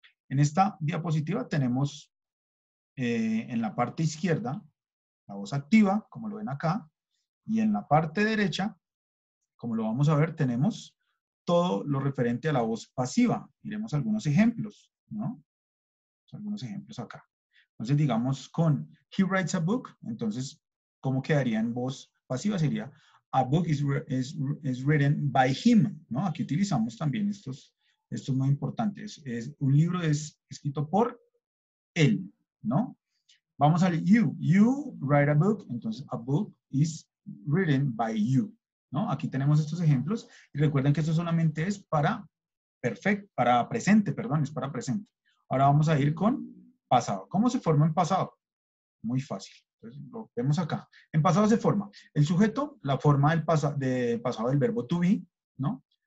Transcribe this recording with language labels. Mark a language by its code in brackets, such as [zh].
[es] En esta diapositiva tenemos en la parte izquierda la voz activa, como lo ven acá, y en la parte derecha, como lo vamos a ver, tenemos todo lo referente a la voz pasiva. Miremos algunos ejemplos, ¿no? Algunos ejemplos acá. Entonces, digamos con [en] He writes a book, [es] entonces, ¿cómo quedaría en voz pasiva? [en] Sería A book is written by him, ¿no? [es] Aquí utilizamos también esto es muy importante. Un libro es escrito por él, ¿no? Vamos al [en] you. You write a book. Entonces, a book is written by you, ¿no? [es] Aquí tenemos estos ejemplos. Y recuerden que esto solamente es para presente, perdón, es para presente. Ahora vamos a ir con pasado. ¿Cómo se forma en pasado? Muy fácil. Entonces, lo vemos acá. En pasado se forma el sujeto, la forma del pasado del verbo to be, ¿no?